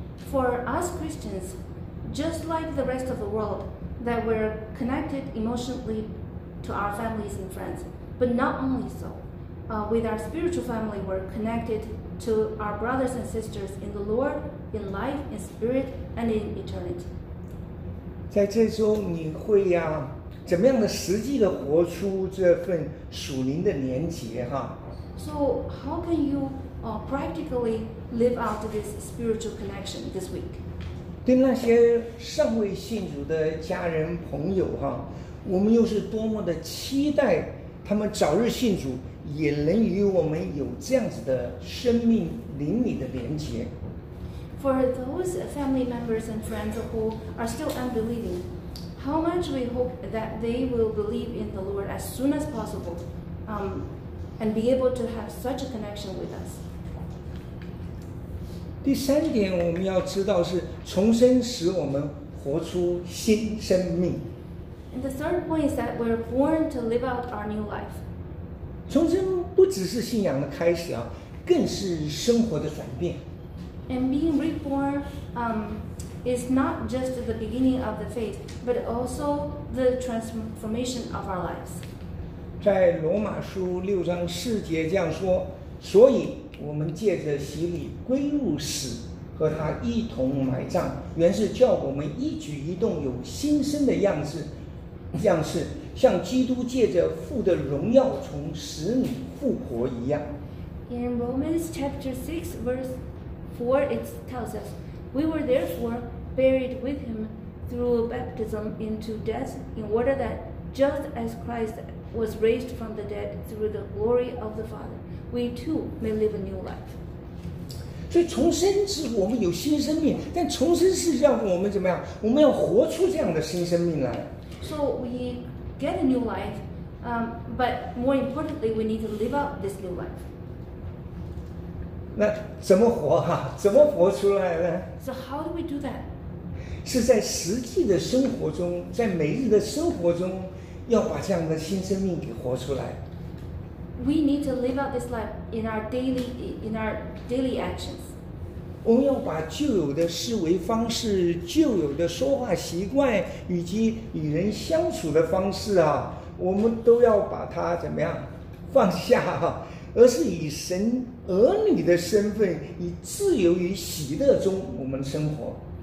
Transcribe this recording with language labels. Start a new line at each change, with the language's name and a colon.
English: For us Christians, just like the rest of the world, that we're connected emotionally to our families and friends, but not only so. With our spiritual family, we're connected to our brothers and sisters in the Lord, in life, in spirit, and in eternity.
Chinese: 在这周你会呀、啊、怎么样的实际的活出这份属灵的连结哈、啊、
English: So how can youpractically live out this spiritual connection this week.
Chinese: 对那些尚未信主的家人朋友哈、啊，我们又是多么的期待他们早日信主，也能与我们有这样子的生命灵里的连结。
English: For those family members and friends who are still unbelieving, how much we hope that they will believe in the Lord as soon as possible, and be able to have such a connection with us.
Chinese: 第三点我们要知道是重生使我们活出新生命。
English: And the third point is that we're born to live out our new life.
Chinese: 重生不只是信仰的开始啊，更是生活的转变。
English: And being reborn, is not just the beginning of the faith, but also the transformation of our lives.
Chinese: 在罗马书六章四节这样说，所以我们借着洗礼归入死，和他一同埋葬，原是叫我们一举一动有新生的样式。像是像基督借着父的荣耀从死里复活一样。
English: In Romans chapter 6 verse 4 it tells us, We were therefore buried with him through baptism into death in order that just as Christ was raised from the dead through the glory of the Father, we too may live a new life.
Chinese: 所以重生是我们有新生命，但重生是让我们怎么样，我们要活出这样的新生命来。
English: So we get a new life, but more importantly, we need to live out this new life.
Chinese: 那怎么活啊？怎么活出来呢？
English: So how do we do that?
Chinese: 是在实际的生活中，在每日的生活中，要把这样的新生命给活出来。
English: We need to live out this life in our daily actions.
Chinese: 我们要把旧有的思维方式、旧有的说话习惯以及与人相处的方式啊，我们都要把它怎么样放下、啊、而是以神儿女的身份，以自由与喜乐中我们生活。